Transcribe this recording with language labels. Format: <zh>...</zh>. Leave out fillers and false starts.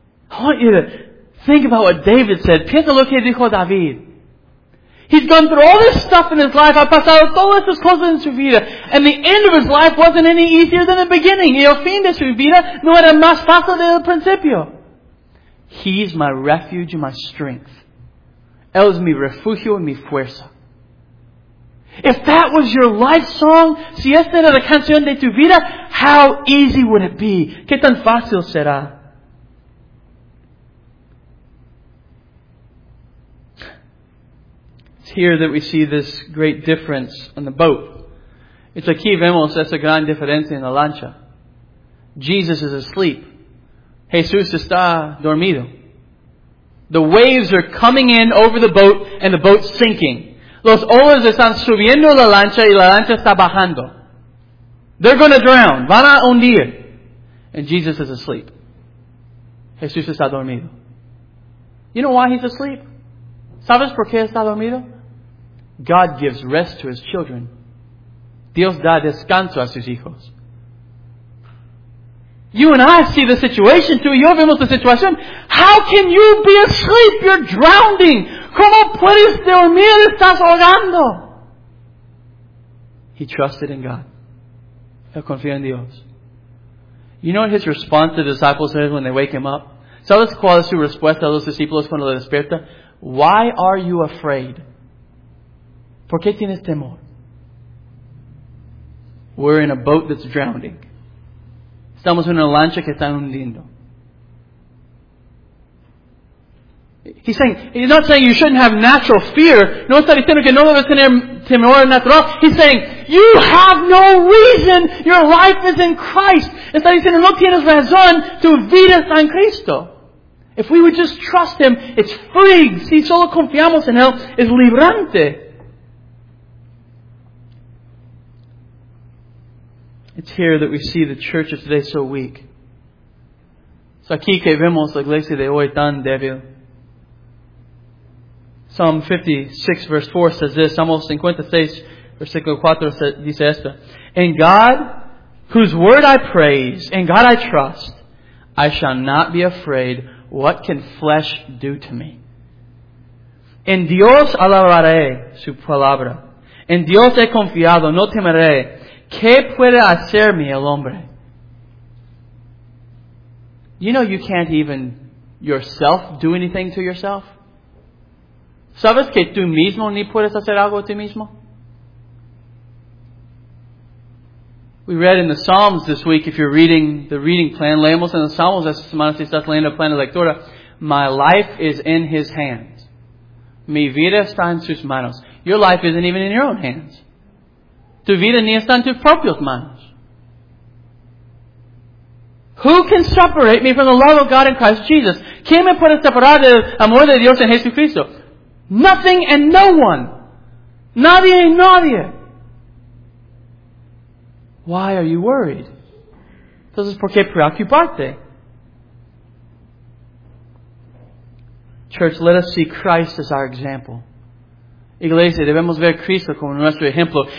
<en>I want you to think about what David said.</en> <es>Piensa lo que dijo David.</es> <en>He's gone through all this stuff in his life.</en> <es>Ha pasado todas estas cosas en su vida.</es> <en>And the end of his life wasn't any easier than the beginning.</en> <es>Y el fin de su vida no era más fácil del principio.</es> <en>He's my refuge and my strength.</en> <es>Él es mi refugio y mi fuerza.</es> <en>If that was your life song,</en> <es>si esta era la canción de tu vida,</es> <en>how easy would it be?</en> <es>¿Qué tan fácil será?</es> <en>It's here that we see this great difference in the boat.</en> <es>It's aquí vemos esa gran diferencia en la lancha.</es> <en>Jesus is asleep.</en> <es>Jesús está dormido.</es> <en>The waves are coming in over the boat and the boat's sinking.</en> <es>Los olas están subiendo la lancha y la lancha está bajando.</es> <en>They're going to drown.</en> <es>Van a hundir.</es> <en>And Jesus is asleep.</en> <es>Jesús está dormido.</es> <en>You know why he's asleep?</en> <es>¿Sabes por qué está dormido?</es> <en>God gives rest to his children.</en> <es>Dios da descanso a sus hijos.</es> <en>You and I see the situation too.</en> <es>Yo vemos la situación.</es> <en>How can you be asleep? You're drowning.</en> <es>¿Cómo puedes dormir? Estás ahogando.</es> <en>He trusted in God.</en> <es>Él confía en Dios.</es> <en>You know what his response to the disciples is when they wake him up?</en> <es>¿Sabes cuál es su respuesta a los discípulos cuando le despierta?</es> <en>Why are you afraid?</en> <es>¿Por qué tienes temor?</es> <en>We're in a boat that's drowning.</en> <es>Estamos en una lancha que está hundiendo.</es> <en>He's not saying you shouldn't have natural fear.</en> <es>No está diciendo que no debes tener temor natural.</es> <en>He's saying, you have no reason. Your life is in Christ.</en> <es>Está diciendo, no tienes razón. Tu vida está en Cristo.</es> <en>If we would just trust Him, it's free.</en> <es>Si solo confiamos en Él, es librante.</es> <en>It's here that we see the church of today so weak.</en> <es>Es aquí que vemos la iglesia de hoy tan débil.</es> <en>Psalm 56, verse 4 says this.</en> <es>Psalm 56, versículo 4 dice esto.</es> <en>In God, whose word I praise, in God I trust, I shall not be afraid. What can flesh do to me?</en> <es>En Dios alabaré su palabra. En Dios he confiado, no temeré. ¿Qué puede hacerme el hombre?</es> <en>You know you can't even yourself do anything to yourself.</en> <es>¿Sabes que tú mismo ni puedes hacer algo a ti mismo?</es> <en>We read in the Psalms this week, if you're reading the reading plan,</en> <es>leemos en los Salmos esta semana si estás leyendo el plan de lectura,</es> <en>my life is in His hands.</en> <es>Mi vida está en sus manos.</es> <en>Your life isn't even in your own hands.</en> <es>Tu vida ni está en tus propias manos.</es> <en>Who can separate me from the love of God in Christ Jesus?</en> <es>¿Quién me puede separar del amor de Dios en Jesucristo?</es> <en>Nothing and no one.</en> <es>Nadie y nadie.</es> <en>Why are you worried?</en> <es>Entonces, ¿por qué preocuparte?</es> <en>Church, let us see Christ as our example.</en> <es>Iglesia, debemos ver a Cristo como nuestro ejemplo.</es>